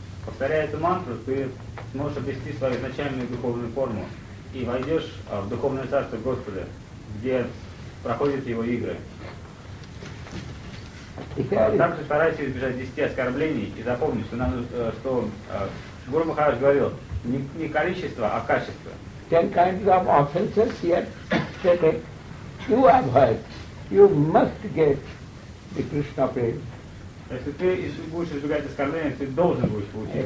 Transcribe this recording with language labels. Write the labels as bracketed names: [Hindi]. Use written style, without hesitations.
[Russian] Повторяя эту мантру, ты сможешь обрести свою изначальную духовную форму и войдешь в духовное царство Господа, где проходят его игры. Также старайся избежать 10 оскорблений и запомни, что нам, что Гуру Махарадж говорил, не количество, а качество. [English] 10 kinds of offenses yet stated, you have heard, you must get the Krishna praise. [Russian] Если ты если будешь избегать оскорбления, ты должен будешь получить.